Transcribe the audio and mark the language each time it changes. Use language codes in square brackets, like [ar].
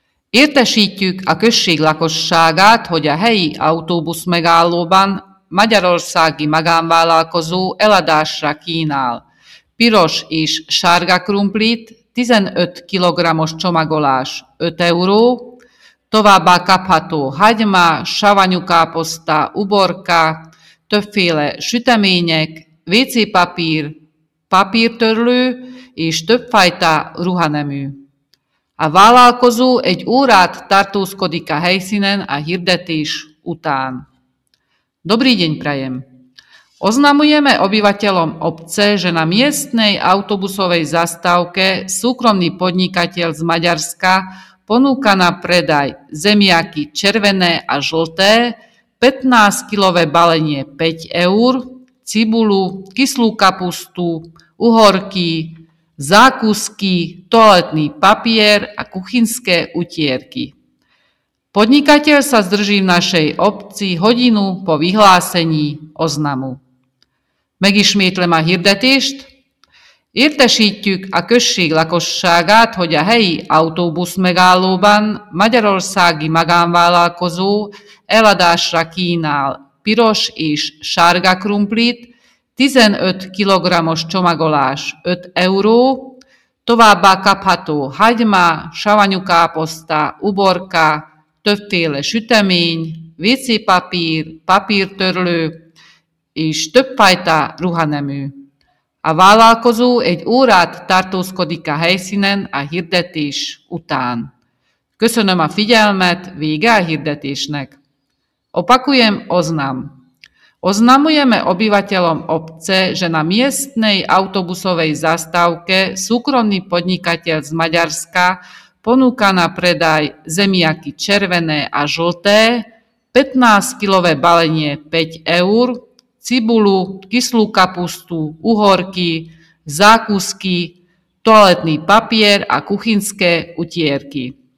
[hu] Értesítjük a község lakosságát, hogy a helyi autóbusz megállóban magyarországi magánvállalkozó eladásra kínál piros és sárga krumplit, 15 kg-os csomagolás 5 euró, továbbá kapható hagyma, savanyú káposzta, uborka, többféle sütemények, WC-papír, papírtörlő és többfajta ruhanemű. A vállalkozó egy órát tartózkodik a helyszínen a hirdetés után. [sk] Dobrý deň prajem! Oznamujeme obyvateľom obce, že na miestnej autobusovej zastávke súkromný podnikateľ z Maďarska ponúka na predaj zemiaky červené a žlté, 15-kilové balenie 5 eur, cibulu, kyslú kapustu, uhorky, zákusky, toaletný papier a kuchynské utierky. Podnikateľ sa zdrží v našej obci hodinu po vyhlásení oznamu. [hu] Megismétlem a hirdetést. Értesítjük a község lakosságát, hogy a helyi autóbusz megállóban magyarországi magánvállalkozó eladásra kínál piros és sárga krumplit, 15 kg-os csomagolás 5 euró, továbbá kapható hagyma, savanyú káposzta, uborka, többféle sütemény, WC-papír, papírtörlő és többfajta ruhanemű. A vállalkozó egy órát tartózkodik a helyszínen a hirdetés után. Köszönöm a figyelmet, vége a hirdetésnek. [sk] Opakujem oznam. Oznamujeme obyvateľom obce, že na miestnej autobusovej zastávke súkromný podnikateľ z Maďarska ponúka na predaj zemiaky červené a žlté, 15-kilové balenie 5 eur, cibulu, kyslú kapustu, uhorky, zákusky, toaletný papier a kuchynské utierky.